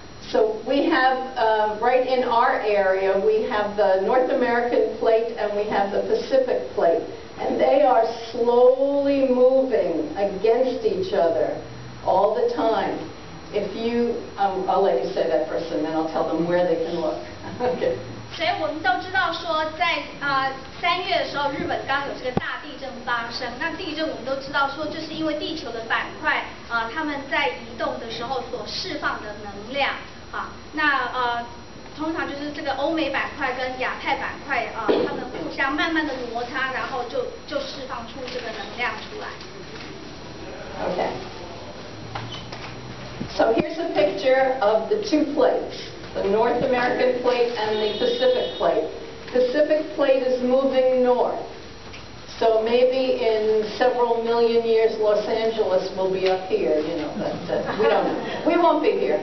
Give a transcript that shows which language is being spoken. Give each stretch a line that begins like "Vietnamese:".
English: So we have, right in our area, we have the North American plate and we have the Pacific plate. And they are slowly moving against each other all the time. If you, I'll let you say that first and then I'll tell them where they can look. Okay.
Chinese: 所以我们都知道说在三月的时候日本刚有这个大地震发生，那地震我们都知道说就是因为地球的板块他们在移动的时候所释放的能量。好，那通常就是这个欧美板块跟亚太板块它们互相慢慢的摩擦，然后就释放出这个能量出来。
English: Okay. So here's a picture of the two plates, the North American plate and the Pacific plate. Pacific plate is moving north. So maybe in several million years, Los Angeles will be up here, you know, but we don't know. We won't be here.